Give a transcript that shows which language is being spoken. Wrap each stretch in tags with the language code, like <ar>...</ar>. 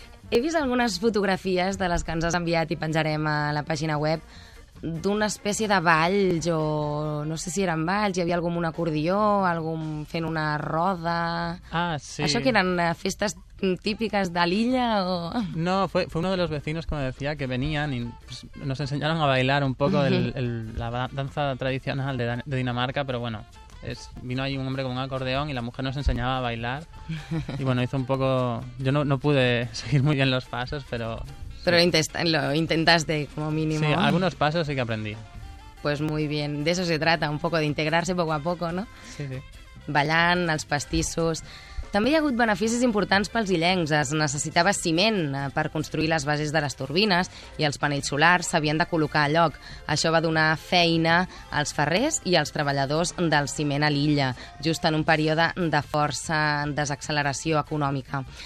<ca>He vist algunes fotografies de les que ens has enviat i penjarem a la pàgina web d'una espècie de balls o... No sé si eren balls, hi havia algun acordió, algun fent una roda... Ah, sí. Això que eren festes típiques de l'illa o...</ca> <es>No, fue uno de los vecinos, como decía, que venían y pues, nos enseñaron a bailar un poco la danza tradicional de Dinamarca, pero bueno, vino ahí un hombre con un acordeón y la mujer nos enseñaba a bailar y bueno, hizo un poco... Yo no pude seguir muy bien los pasos, pero... Pero lo intentaste como mínimo. Sí, algunos pasos sí que aprendí. Pues muy bien, de eso se trata, un poco de integrarse poco a poco, ¿no? Sí, sí.</es> <ca>Ballant, els pastissos... També hi ha hagut beneficis importants pels illencs. Es necessitava ciment per construir les bases de les turbines i els panells solars s'havien de col·locar a lloc. Això va donar feina als ferrers i als treballadors del ciment a l'illa, just en un període de força desacceleració econòmica.</ca>